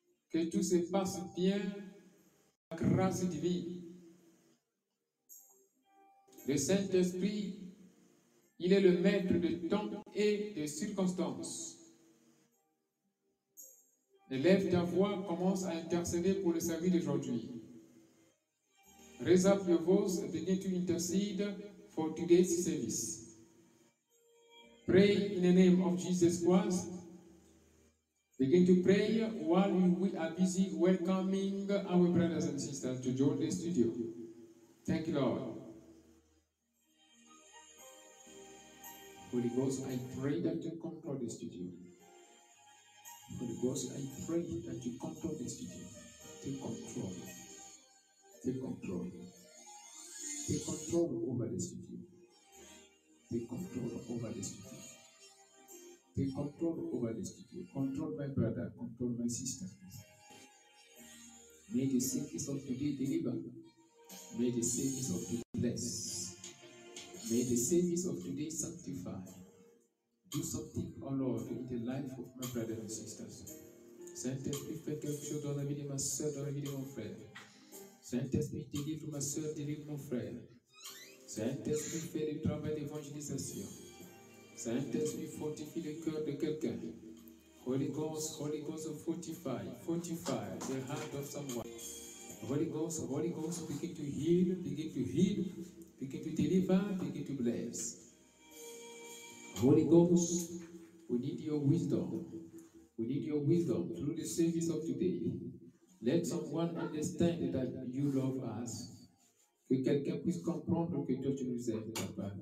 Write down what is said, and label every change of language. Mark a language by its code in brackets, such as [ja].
[fr] Que tout se passe bien. Grâce divine. Le Saint-Esprit, il est le maître de temps et des circonstances. Élève ta voix, commence à intercéder pour le service d'aujourd'hui. [en] Raise up your voice and begin to intercede for today's service. Pray in the name of Jesus Christ. Begin to pray while we are busy welcoming our brothers and sisters to join the studio. Thank you, Lord. Holy Ghost, I pray that you control the studio. Holy Ghost, I pray that you control the studio. Take control. Take control. Take control over the studio. Take control over the studio. Take control over the studio. Control my brother, control my sister. May the sickness of today deliver. May the sickness of today bless. May the service of today sanctify. Do something, O Lord, in the life of my brothers and sisters. [fr] Saint-Esprit, fais quelque chose dans la vie de ma soeur, dans la vie de mon frère. Saint-Esprit, délivre ma soeur, délivre mon frère. Saint-Esprit, fais le travail d'évangélisation. Saint-Esprit, fortifie le cœur de quelqu'un. [en] Holy Ghost, fortify, fortify the heart of someone. Holy Ghost, begin to heal, begin to heal. Begin to deliver, begin to bless. Holy Ghost, we need your wisdom. We need your wisdom through the service of today. Let someone understand that you love us. [fr] Que quelqu'un puisse comprendre que toi tu nous aimes, papa.